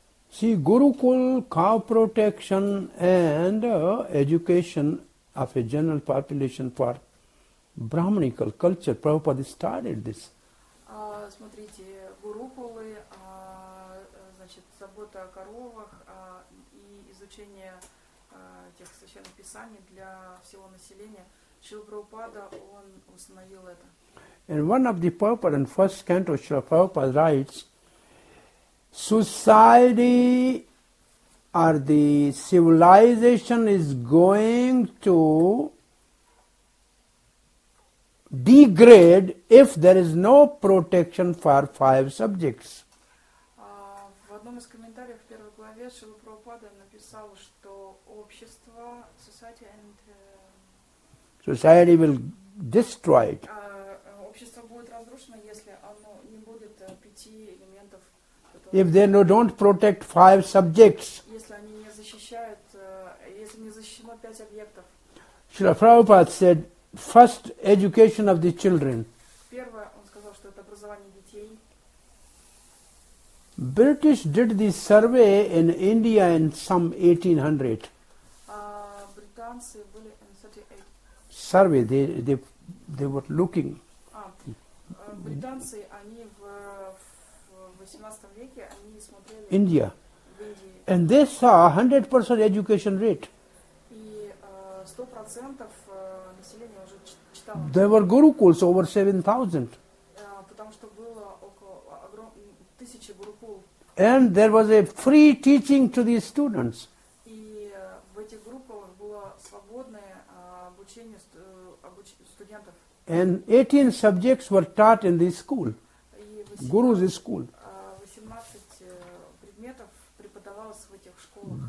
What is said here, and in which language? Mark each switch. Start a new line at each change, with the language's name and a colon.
English: See, Gurukul, cow protection and education of a general population for Brahminical culture. Prabhupada started this.
Russian: Смотрите, гурукулы, значит, забота о коровах и изучение тех священных писаний для всего населения. Шрила Прабхупада, он установил это.
English: In one of the Prabhupada and first canto, Shrila Prabhupada writes, society or the civilization is going to degrade if there is no protection for five subjects.
Russian: В одном из комментариев в первой главе Шрила Прабхупада написал, что общество,
English: society and society will destroy it.
Russian: Общество будет разрушено, если оно не будет пяти элементов.
English: If they don't protect five subjects.
Russian: Если они не защищают, если не защищено пять объектов.
English: Шрила Прабхупада said, first, education of the children.
Russian: Первое, он сказал, что это образование детей.
English: British did this survey in India in some 1800.
Russian: Британцы были
English: in 38. Survey, they were looking.
Russian: Британцы, они в 18 веке, они смотрели
English: India. And they saw 100% education rate.
Russian: И 100% населения уже читало.
English: There were gurukuls over 7,000.
Russian: Потому что было около 1000 гурукул.
English: And there was a free teaching to the students.
Russian: И в этих гурукулах было свободное обучение студентов.
English: And 18 subjects were taught in the school. Guru's school.
Russian: 18 предметов преподавалось в этих школах.